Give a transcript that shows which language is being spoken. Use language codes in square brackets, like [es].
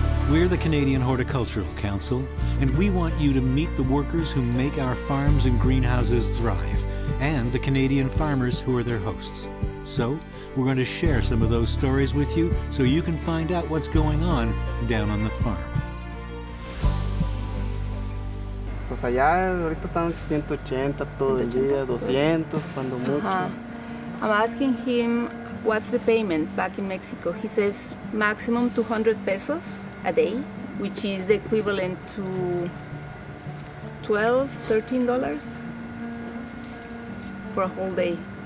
[en] We're the Canadian Horticultural Council, and we want you to meet the workers who make our farms and greenhouses thrive, and the Canadian farmers who are their hosts. So, we're going to share some of those stories with you so you can find out what's going on down on the farm. [es] Pues allá ahorita están 180 todo el día, 200 cuando mucho. [en] I'm asking him what's the payment back in Mexico. He says maximum 200 pesos a day, which is equivalent to $12-$13 for a whole day.